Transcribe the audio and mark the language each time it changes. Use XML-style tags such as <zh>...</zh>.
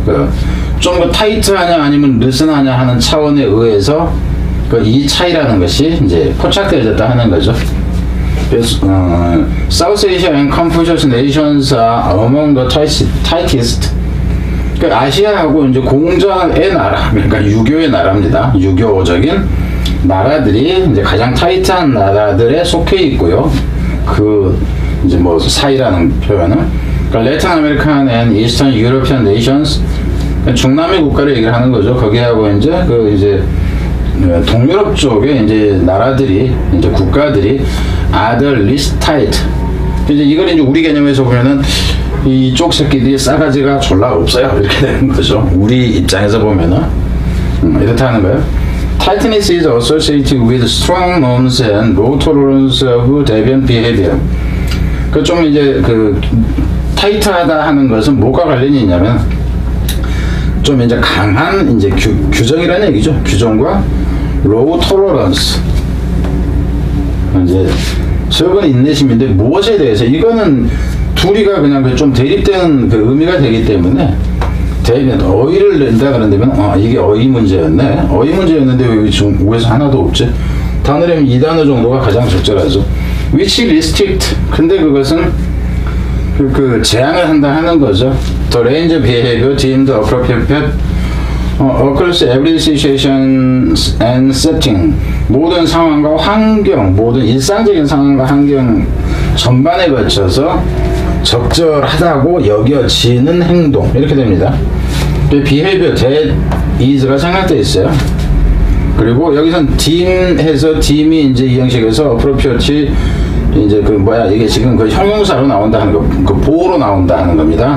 <ko>그 좀 더 타이트하냐 아니면 루슨하냐 하는 차원에 의해서 그 이 차이라는 것이 이제 포착되어졌다 하는 거죠. 그래서</ko> <en>South Asia and Confucius nations are among the tightest.</en> <ko>그 아시아하고 이제 공자의 나라, 그러니까 유교의 나라입니다. 유교적인 나라들이 이제 가장 타이트한 나라들에 속해 있고요. 그 이제 뭐 사이라는 표현은 그러니까</ko> <en>Latin American and Eastern European nations</en> <ko>중남미 국가를 얘기를 하는 거죠. 거기하고 이제 그 이제 동유럽 쪽에 이제 나라들이 이제 국가들이</ko> <en>are the least tight.</en> <ko>이제 이걸 이제 우리 개념에서 보면은 이쪽 새끼들이 싸가지가 졸라 없어요. 이렇게 되는 거죠. 우리 입장에서 보면은 이렇다는 거예요.</ko> <en>Tightness is associated with strong norms and low tolerance of deviant behavior.</en> <ko>그 좀 이제 그 타이트하다 하는 것은 뭐가 관련이 있냐면 좀 이제 강한 이제 규정이라는 얘기죠. 규정과</ko> <en>low tolerance.</en> <ko>이제 적은 인내심인데 무엇에 대해서 이거는 둘이가 그냥 좀 대립되는 그 의미가 되기 때문에 대면 어휘를 낸다 그런다면 이게 어휘 문제였네. 어휘 문제였는데 왜 지금 위에서 하나도 없지? 단어라면 이 단어 정도가 가장 적절하죠.</ko> <en>Which restrict?</en> <ko>근데 그것은 그 제한을 한다 하는 거죠.</ko> <en>The range of behavior deemed appropriate across every situation and setting.</en> <ko>모든 상황과 환경, 모든 일상적인 상황과 환경 전반에 걸쳐서 적절하다고 여겨지는 행동 이렇게 됩니다. 그 behavior, that is가 생략되어 있어요. 그리고 여기선 deem해서 deem이 이제 이 형식에서 appropriate 이제 그 뭐야 이게 지금 그 형용사로 나온다 하는 거, 그 보호로 나온다 하는 겁니다.</ko>